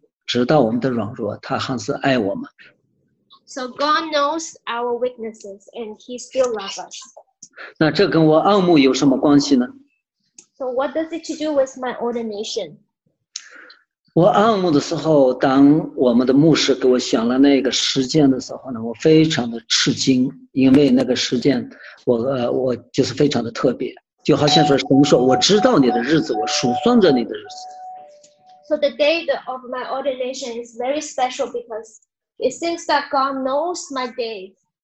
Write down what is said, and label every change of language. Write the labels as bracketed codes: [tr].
[zh] 那我讲什么意思呢？就是说从这些事情里面知道呢，就是说神知道我们的软弱，他还是爱我们。 [en] So God knows our weaknesses and He still loves us. [zh] 那这跟我暗牧有什么关系呢？ [en] So what does it to do with my ordination? [zh] 我暗牧的时候，当我们的牧师给我选了那个时间的时候呢，我非常的吃惊，因为那个时间我就是非常的特别，就好像说神说，我知道你的日子，我数算着你的日子。 [en] So the day of my ordination is very special because it seems that God knows my day.